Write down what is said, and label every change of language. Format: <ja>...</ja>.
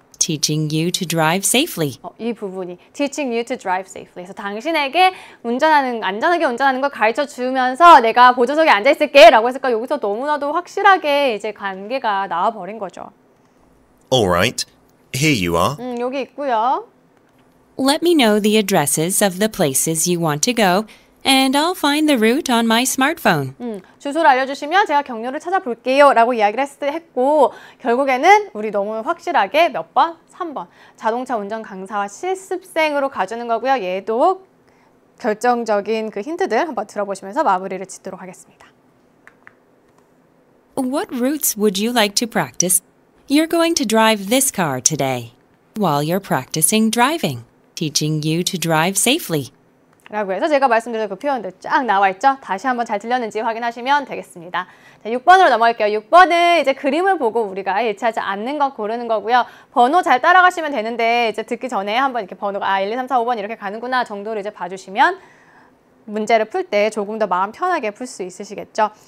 <en>Teaching you to drive safely.</en> <ko>이 부분이</ko> <en>teaching you to drive safely.</en> <ko>그래서 당신에게 안전하게 운전하는 걸 가르쳐 주면서 내가 보조석에 앉아 있을게라고 했을까 여기서 너무나도 확실하게 이제 관계가 나와 버린 거죠.</ko> <en>All right, here you are.</en> <ko>여기 있고요.</ko> <en>Let me know the addresses of the places you want to go, and I'll find the route on my smartphone.</en> <ko>주소를 알려주시면 제가 경로를 찾아볼게요 라고 이야기를 했고 결국에는 우리 너무 확실하게 몇 번? 3번 자동차 운전 강사와 실습생으로 가주는 거고요. 얘도 결정적인 그 힌트들 한번 들어보시면서 마무리를 짓도록 하겠습니다.</ko> <en>What routes would you like to practice? You're going to drive this car today while you're practicing driving, teaching you to drive safely.</en> <ko>라고 해서 제가 말씀드린 그 표현들 쫙 나와 있죠? 다시 한번 잘 들렸는지 확인하시면 되겠습니다. 자, 6번으로 넘어갈게요. 6번은 이제 그림을 보고 우리가 예측하지 않는 거 고르는 거고요. 번호 잘 따라가시면 되는데 이제 듣기 전에 한번 이렇게 번호가 아 1, 2, 3, 4, 5번 이렇게 가는구나 정도를 이제 봐주시면 문제를 풀 때 조금 더 마음 편하게 풀 수 있으시겠죠?</ko>